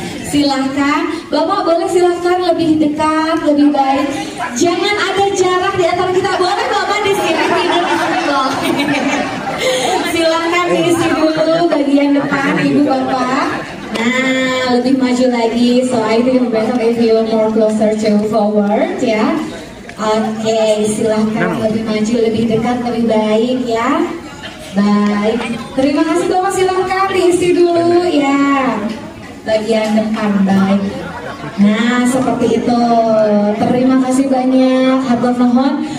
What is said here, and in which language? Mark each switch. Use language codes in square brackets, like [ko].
[id] Silahkan, Bapak boleh silahkan lebih dekat, lebih baik. Jangan ada jarak di antara kita. Boleh Bapak di sini tidur di sini loh. Silahkan diisi dulu bagian depan Ibu Bapak. Nah, lebih maju lagi. [en] So I think better if you more closer to forward ya. [id] Oke, silahkan lebih maju, lebih dekat, lebih baik ya. Baik, terima kasih Bapak, silahkan diisi dulu ya bagian depan. Baik, nah seperti itu, terima kasih banyak, [su] hatur nuhun.